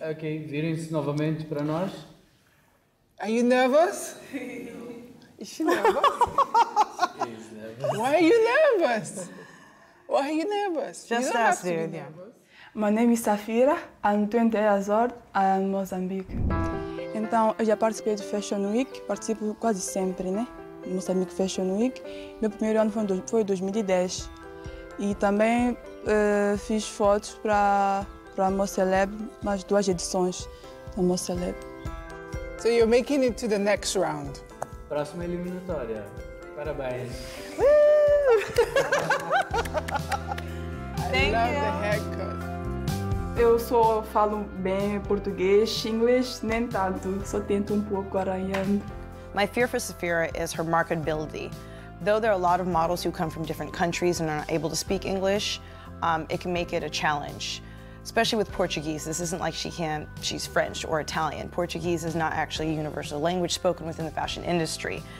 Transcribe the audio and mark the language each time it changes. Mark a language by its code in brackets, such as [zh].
[pt] Okay, virens novamente para nós. [en] Are you nervous? No. Is she nervous? She is nervous. Why are you nervous? Why are you nervous? Just you don't ask have to be nervous. My name is Safira, I'm 20 years old, I'm Mozambique. [pt] Então, eu já participei do Fashion Week, participo quase sempre, né? Moçambique Fashion Week. Meu primeiro ano foi 2010. E também fiz fotos para a Mocelab, mais duas edições da Mocelab. [en] So you're making it to the next round. [pt] Próxima eliminatória. Parabéns. [en] Thank you. I love the haircut. [pt] Eu só falo bem português, inglês, nem tanto. Só tento pouco arranhando. [en] My fear for Safira is her marketability. Though there are a lot of models who come from different countries and are not able to speak English, it can make it a challenge. Especially with Portuguese, this isn't like she's French or Italian. Portuguese is not actually a universal language spoken within the fashion industry.